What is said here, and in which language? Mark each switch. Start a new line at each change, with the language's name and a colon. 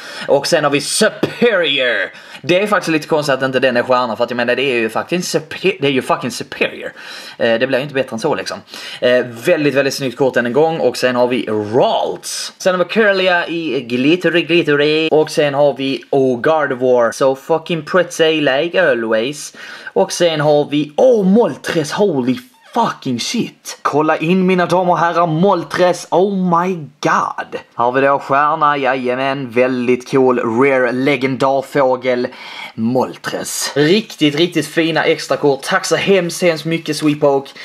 Swedish: Och sen har vi Superior, det är faktiskt lite konstigt att inte den är stjärna för att jag menar det är ju faktiskt det är ju fucking Superior. Det blir ju inte bättre än så liksom. Väldigt, väldigt snyggt kort än en gång och sen har vi Ralts. Sen har vi Curlia i Glittery Glittery och sen har vi Gardevoir.
English: So fucking pretty like always.
Swedish: Och sen har vi Moltres,
English: holy fucking shit.
Swedish: Kolla in mina damer och herrar, Moltres,
English: oh my god.
Swedish: Har vi då stjärna, jajamän. Väldigt cool, rare legendarfågel Moltres. Riktigt, riktigt fina extra kort. Tack så hemskt, hemskt mycket Sweepoke.